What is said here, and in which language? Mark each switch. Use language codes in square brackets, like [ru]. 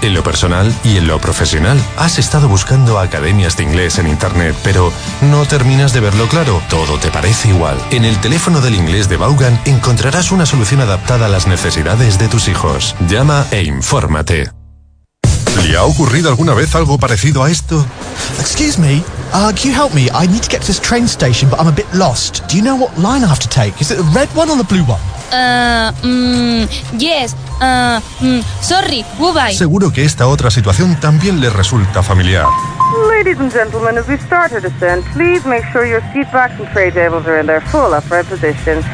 [es] En lo personal y en lo profesional. Has estado buscando academias de inglés en internet, pero no terminas de verlo claro. Todo te parece igual. En el teléfono del inglés de Vaughan encontrarás una solución adaptada a las necesidades de tus hijos. Llama e infórmate. ¿Le ha ocurrido alguna vez algo parecido a esto? [en] Excuse me. Can you help me? I need to get to this train station, but I'm a bit lost. Do you know what line I have to take? Is it the red one or the blue one? Yes. Sorry. Goodbye. [es] Seguro que esta otra situación también le resulta familiar. [en] Ladies and gentlemen, as we start our descent, please make sure your seat backs and tray tables are in their full upright position.